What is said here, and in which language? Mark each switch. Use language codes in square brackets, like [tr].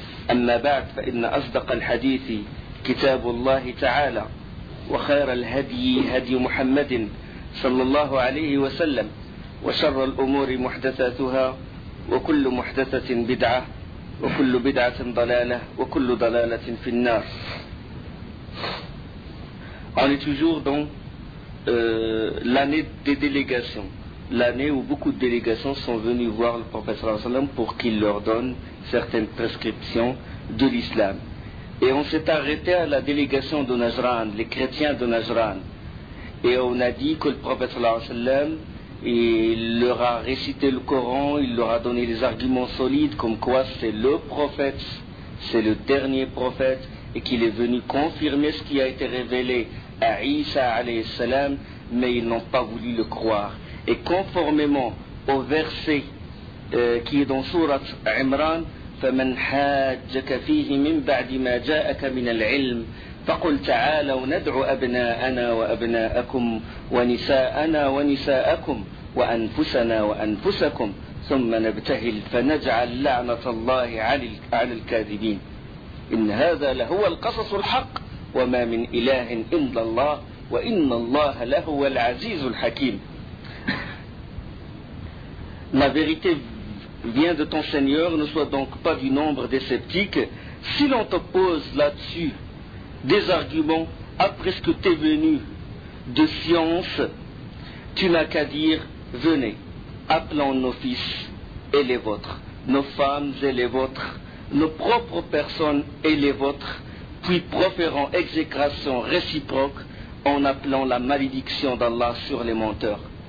[ar] أما بعد، فإن أصدق الحديث كتاب الله تعالى، وخير الهدي هدي محمد صلى الله عليه وسلم، وشر الأمور محدثاتها، وكل محدثة بدعة، وكل بدعة ضلالة، وكل ضلالة في النار. [fr] On est toujours dans l'année des délégations, l'année où beaucoup de délégations sont venues voir le professeur Al-Salam pour qu'il leur donne certaines prescriptions de l'islam. Et on s'est arrêté à la délégation de Najran, les chrétiens de Najran. Et on a dit que le prophète sallallahu alayhi wa sallam, il leur a récité le Coran, il leur a donné des arguments solides comme quoi c'est le prophète, c'est le dernier prophète, et qu'il est venu confirmer ce qui a été révélé à Isa alayhi salam, mais ils n'ont pas voulu le croire. Et conformément au verset qui est dans Surat Imran, [ar] فَمَنْ حَاجَّكَ فِيهِ مِنْ بَعْدِ مَا جَاءَكَ مِنَ الْعِلْمِ فَقُلْ تَعَالَوْ نَدْعُ أَبْنَاءَنَا وَأَبْنَاءَكُمْ وَنِسَاءَنَا وَنِسَاءَكُمْ وَأَنْفُسَنَا وَأَنْفُسَكُمْ ثُمَّ نَبْتَهِلْ فَنَجْعَلْ لَعْنَةَ اللَّهِ عَلَى الْكَاذِبِينَ إِنْ هَذَا لَهُوَ الْقَصَصُ الْحَقُّ وَمَا مِنْ إِلَٰهٍ إِلَّا اللَّهُ وَإِنَّ اللَّهَ لَهُوَ الْعَزِيزُ الْحَكِيمُ. [fr] Vient de ton Seigneur, ne sois donc pas du nombre des sceptiques. Si l'on t'oppose là-dessus des arguments, après ce que t'es venu de science, tu n'as qu'à dire, venez, appelons nos fils et les vôtres, nos femmes et les vôtres, nos propres personnes et les vôtres, puis proférons exécration réciproque en appelant la malédiction d'Allah sur les menteurs.